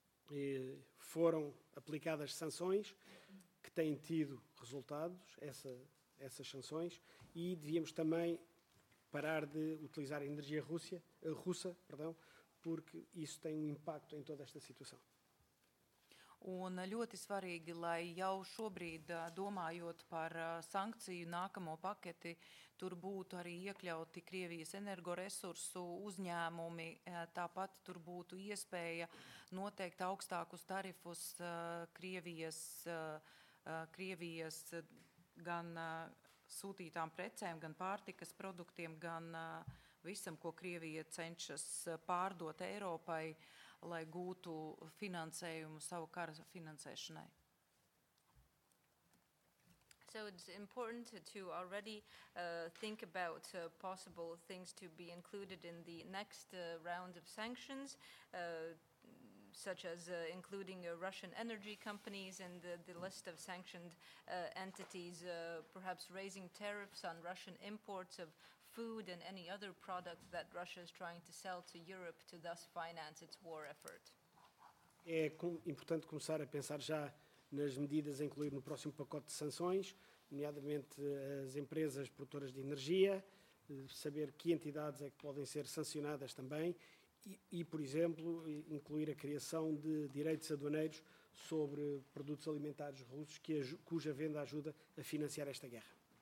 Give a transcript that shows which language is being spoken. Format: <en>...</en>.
<pt>E foram aplicadas sanções que têm tido resultados, essas sanções, e devíamos também parar de utilizar a energia russa, porque isso tem impacto em toda esta situação.</pt> <lv>Un ļoti svarīgi, lai jau šobrīd domājot par sankciju nākamo paketi, tur būtu arī iekļauti Krievijas energoresursu uzņēmumi, tāpat tur būtu iespēja noteikt augstākus tarifus Krievijas gan sūtītām precēm, gan pārtikas produktiem, gan visam, ko Krievija cenšas pārdot Eiropai, lai gūtu finansējumu savu kara finansēšanai.</lv> <en>So it's important to already think about possible things to be included in the next round of sanctions, such as including Russian energy companies and the list of sanctioned entities, perhaps raising tariffs on Russian imports of food and any other product that Russia is trying to sell to Europe to thus finance its war effort.</en> <pt>É importante começar a pensar já nas medidas a incluir no próximo pacote de sanções, nomeadamente as empresas produtoras de energia, saber que entidades é que podem ser sancionadas também e por exemplo, incluir a criação de direitos aduaneiros sobre produtos alimentares russos cuja venda ajuda a financiar esta guerra.</pt>